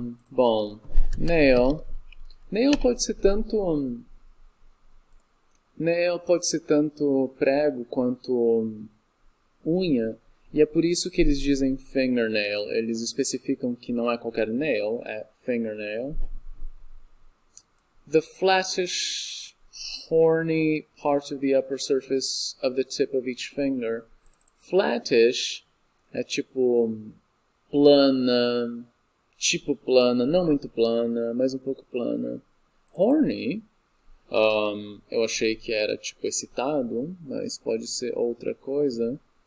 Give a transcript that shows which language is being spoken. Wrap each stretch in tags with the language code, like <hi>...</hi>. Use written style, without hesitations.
<pt>Bom, nail. Nail pode ser tanto prego quanto unha, e é por isso que eles dizem fingernail. Eles especificam que não é qualquer nail, é fingernail.</pt> <en>The flattish, horny part of the upper surface of the tip of each finger.</en> <pt>Flattish é tipo plana, tipo plana, não muito plana, mas um pouco plana. Horny, eu achei que era tipo excitado, mas pode ser outra coisa.</pt>